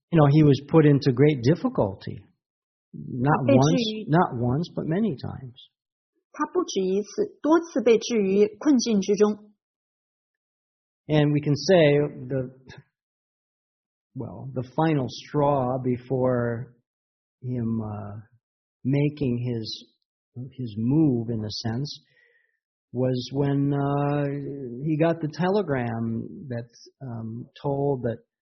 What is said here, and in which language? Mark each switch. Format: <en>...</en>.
<en>He was put into great difficulty, not once, but many times.</en> <zh>他不止一次，多次被置于困境之中。</zh> <en>And we can say the final straw before him making his move, in a sense, was when he got the telegram that told that</en>